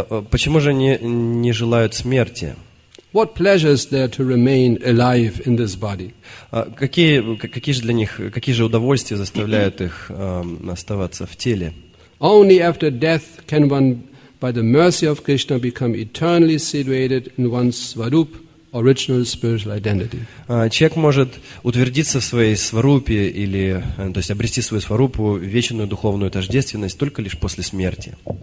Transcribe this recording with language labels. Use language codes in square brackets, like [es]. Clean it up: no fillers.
[ru] Почему же они не желают смерти? [en] What pleasure is there to remain alive in this body? [ru] Какие же удовольствия заставляют их оставаться в теле? [en] Only after death can one, by the mercy of Krishna, become eternally situated in one's swarup. Original spiritual identity. [ru] Человек может утвердиться в своей сварупе или, то есть, обрести свою сварупу, вечную духовную тождественность только лишь после смерти.